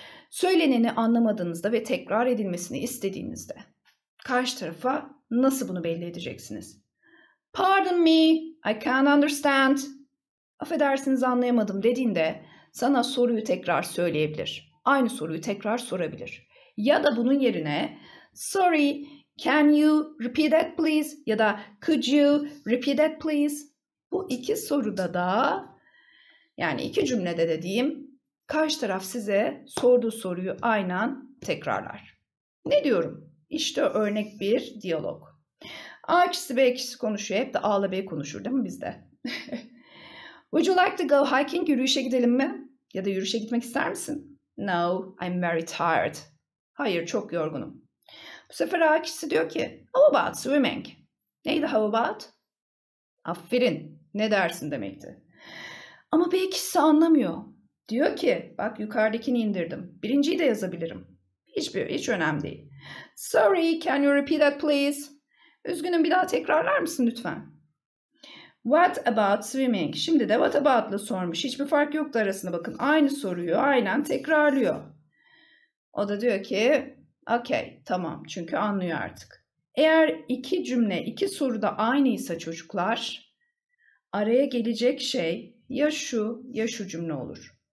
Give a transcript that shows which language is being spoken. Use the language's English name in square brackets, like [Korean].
[Turkish] Söyleneni anlamadığınızda ve tekrar edilmesini istediğinizde karşı tarafa nasıl bunu belli edeceksiniz? [English] Pardon me, I can't understand. [Turkish] Affedersiniz anlayamadım dediğinde sana soruyu tekrar söyleyebilir. aynı soruyu tekrar sorabilir. Ya da bunun yerine [English] sorry, can you repeat that please? [Turkish] Ya da [English] could you repeat that please? [Turkish] Bu iki soruda da, yani iki cümlede de diyeyim, karşı taraf size sorduğu soruyu aynen tekrarlar. Ne diyorum? İşte örnek bir diyalog. A kişisi B kişisi konuşuyor. Hep de A'la B konuşur değil mi bizde? [English] Would you like to go hiking? [Turkish] Yürüyüşe gidelim mi? Ya da yürüyüşe gitmek ister misin? [English] No, I'm very tired. [Turkish] Hayır, çok yorgunum. Bu sefer A kişisi diyor ki, [English] how about swimming? [Turkish] Neydi how about? Aferin, ne dersin demekti. Ama B kişisi anlamıyor. Diyor ki, bak yukarıdakini indirdim. Birinciyi de yazabilirim. Hiç önemli değil. [English] Sorry, can you repeat that please? [Turkish] Üzgünüm, bir daha tekrarlar mısın lütfen? [English] What about swimming? [Turkish] Şimdi de what about'la sormuş. Hiçbir fark yoktu arasında, bakın. Aynı soruyu aynen tekrarlıyor. O da diyor ki, okay, tamam. Çünkü anlıyor artık. Eğer iki cümle, iki soru da aynıysa çocuklar, araya gelecek şey ya şu ya şu cümle olur.